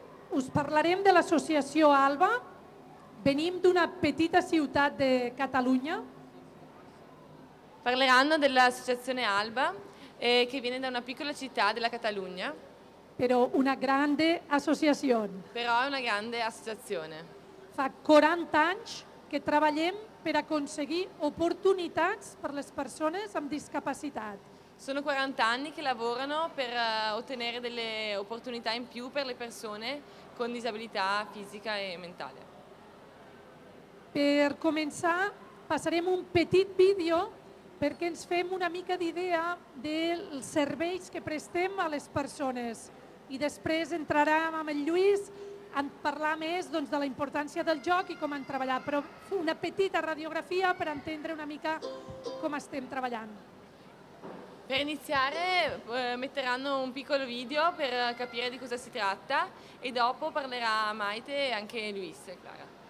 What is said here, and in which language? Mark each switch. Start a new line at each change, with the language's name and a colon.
Catalan: Us parlarem de l'associació ALBA. Venim d'una petita ciutat de Catalunya.
Italian: Parleranno dell'associazione ALBA, che viene da una piccola città della Catalogna. Però una grande associazione. Però è una grande associazione.
Catalan: Fa 40 anys che treballem per aconseguir oportunitats per les persones amb discapacitat.
Italian: Sono 40 anni che lavorano per ottenere delle opportunità in più per le persone con disabilità fisica e mentale.
Catalan: Per començar, passarem un petit vídeo perquè ens fem una mica d'idea dels serveis que prestem a les persones i després entrarem amb el Lluís a parlar més doncs, de la importància del joc i com han treballat, però una petita radiografia per entendre una mica com estem treballant.
Italian: Per iniziare, metteranno un piccolo video per capire di cosa si tratta e dopo parlerà Maite e anche Luis e Clara.